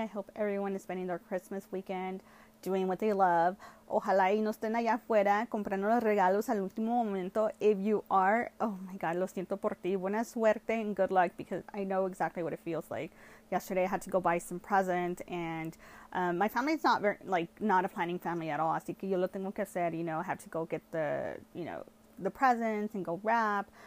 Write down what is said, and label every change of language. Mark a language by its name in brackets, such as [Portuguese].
[English] I hope everyone is spending their Christmas weekend doing what they love. [Spanish] Ojalá y no estén allá afuera comprando los regalos al último momento. [English] If you are, oh my God, [Spanish] lo siento por ti. Buena suerte [English] and good luck, because I know exactly what it feels like. Yesterday I had to go buy some presents, and my family's not very, like, not a planning family at all. [Spanish] Así que yo lo tengo que hacer, [English] you know. I have to go get the, you know, the presents and go wrap.